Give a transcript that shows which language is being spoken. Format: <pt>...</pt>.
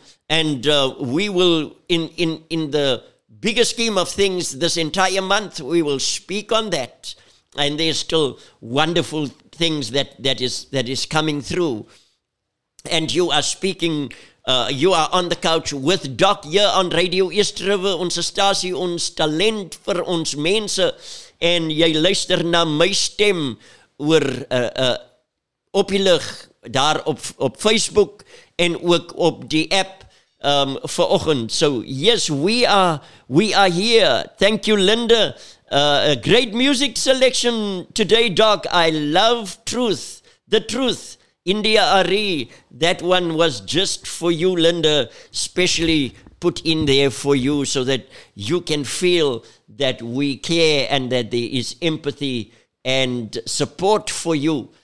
<en>We will, in the bigger scheme of things, this entire month, we will speak on that. And there's still wonderful things that is coming through. And you are speaking, you are on the couch with Doc here on Radio East River, ons stasie, ons talent vir ons mense.</en> <af>En jy luister na my stem oor op die lig daar op Facebook en ook op die app vir oggend.</af> <en>So yes, we are here. Thank you, Linda. A great music selection today, Doc. I love Truth, The Truth, India Ari. That one was just for you, Linda, specially put in there for you so that you can feel that we care and that there is empathy and support for you.</en>